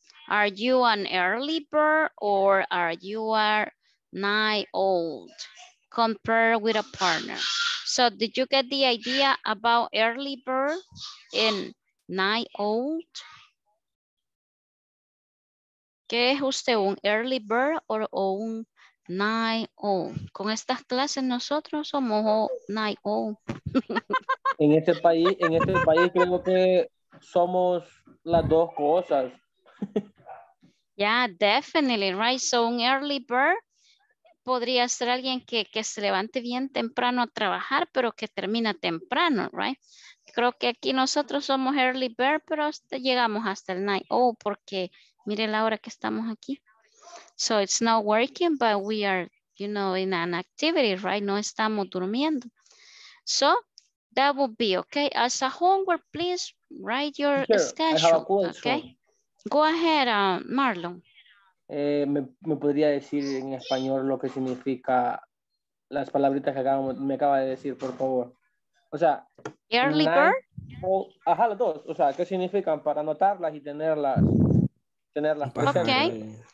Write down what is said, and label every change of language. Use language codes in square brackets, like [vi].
[en] Are you an early bird or are you a night owl? Compare with a partner. So did you get the idea about early bird and night owl? [es] ¿Qué es usted, un [en] early bird or [es] un night owl? Con estas clases nosotros somos night owl. En este país creo que somos las dos cosas. [en] Yeah, definitely, right? So an early bird [es] podría ser alguien que se levante bien temprano a trabajar, pero que termina temprano, right? Creo que aquí nosotros somos early bird, pero hasta llegamos hasta el night. Oh, porque mire la hora que estamos aquí. [en] So it's not working, but we are, you know, in an activity, right? [es] No estamos durmiendo. [en] So that would be, okay? As a homework, please write your schedule, okay? Go ahead, Marlon. [es] ¿Me podría decir en español lo que significa las palabritas que me acaba de decir, por favor? O sea, [en] early bird. [es] Ajá, las dos. O sea, ¿qué significan para anotarlas y tenerlas presentes? [en] Okay.